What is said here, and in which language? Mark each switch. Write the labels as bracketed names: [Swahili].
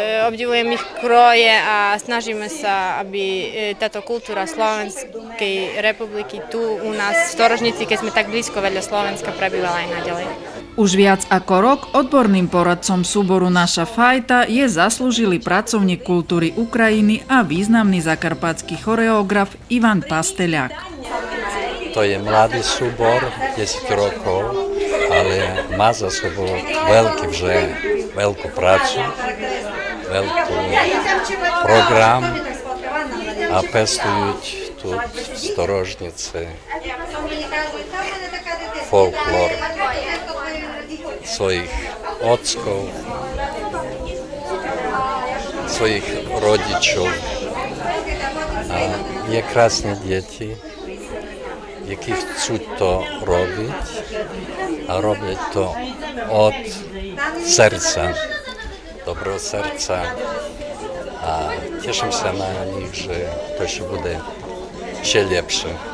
[Slovak] Obdivujem ich kroje a snažíme sa, aby táto kultúra Slovenskej republiky tu u nás v Storožnici, keď sme tak blízko vedľa Slovenska, prebývala aj naďalej. Už viac ako rok odborným poradcom súboru Naša fajta je zaslúžilý pracovník kultúry Ukrajiny a významný zakarpatský choreograf Ivan Pasteľák. To je mladý súbor, 10 rokov, ale má za sobou veľký vžel, veľkú prácu, veľký program a pestujúť [Ukrainian] тут в Сторожнице фольклор своїх отців, своїх родичів. Є красні діти, які хочуть то робити, а роблять то від серця, доброго серця. Тішимося на них, що то ще буде ще ліпше.